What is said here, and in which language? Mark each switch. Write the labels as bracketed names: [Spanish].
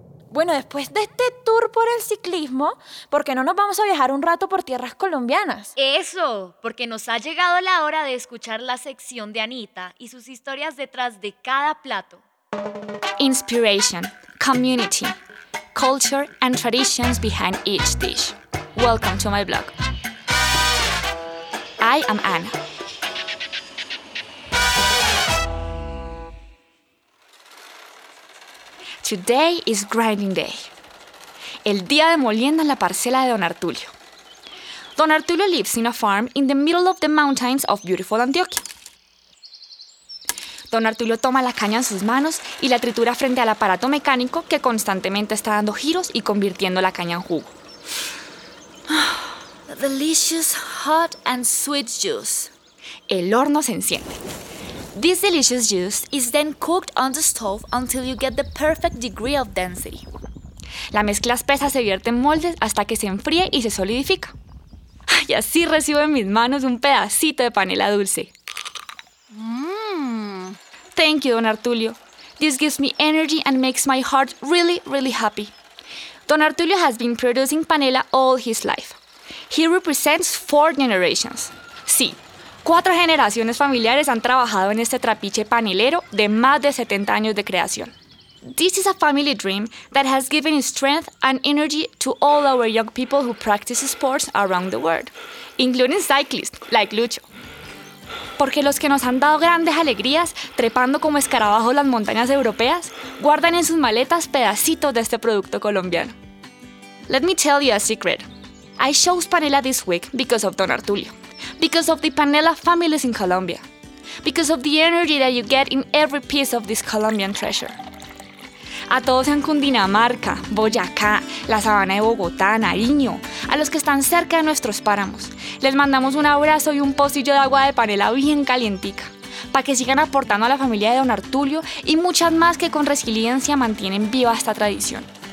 [Spanish] Bueno, después de este tour por el ciclismo, ¿por qué no nos vamos a viajar un rato por tierras colombianas? ¡Eso! Porque nos ha llegado la hora de escuchar la sección de Anita y sus historias detrás de cada plato. [English] Inspiration, community, culture and traditions behind each dish. Welcome to my blog. I am Ana. Today is grinding day. [Spanish] El día de molienda en la parcela de Don Artulio. [English] Don Artulio lives in a farm in the middle of the mountains of beautiful Antioquia. [Spanish] Don Artulio toma la caña en sus manos y la tritura frente al aparato mecánico que constantemente está dando giros y convirtiendo la caña en jugo. [English] The delicious hot and sweet juice. [Spanish] El horno se enciende. [English] This delicious juice is then cooked on the stove until you get the perfect degree of density. [Spanish] La mezcla espesa se vierte en moldes hasta que se enfríe y se solidifica. Y así recibo en mis manos un pedacito de panela dulce. [English] Thank you, Don Artulio. This gives me energy and makes my heart really, really happy. Don Artulio has been producing panela all his life. He represents 4 generations. [Spanish] Sí, 4 generaciones familiares han trabajado en este trapiche panelero de más de 70 años de creación. [English] This is a family dream that has given strength and energy to all our young people who practice sports around the world, including cyclists like Lucho. [Spanish] Porque los que nos han dado grandes alegrías trepando como escarabajos las montañas europeas guardan en sus maletas pedacitos de este producto colombiano. [English] Let me tell you a secret. I chose panela this week because of Don Artulio, because of the panela families in Colombia, because of the energy that you get in every piece of this Colombian treasure. [Spanish] A todos en Cundinamarca, Boyacá, la sabana de Bogotá, Nariño, a los que están cerca de nuestros páramos, les mandamos un abrazo y un pocillo de agua de panela bien calientica, para que sigan aportando a la familia de Don Artulio y muchas más que con resiliencia mantienen viva esta tradición.